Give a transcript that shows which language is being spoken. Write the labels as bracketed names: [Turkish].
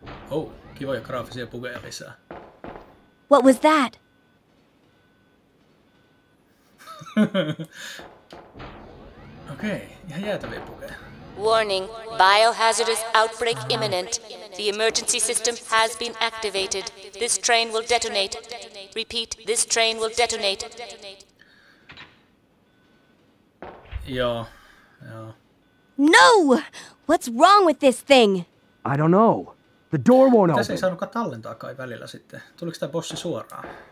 [Finnish] Oh, kivoja graafisia bugeja lisää. [English] What was that? [Finnish] Okei, ihan jäätäviä bugeja. [English] Warning, biohazardous outbreak imminent. The emergency system has been activated. This train will detonate. Repeat, this train will detonate. Yeah. Yeah. No! What's wrong with this thing? I don't know. The door won't open. [Finnish] Tässä ei saanutkaan tallentaa kai välillä sitten. Tuliko tämä bossi suoraan?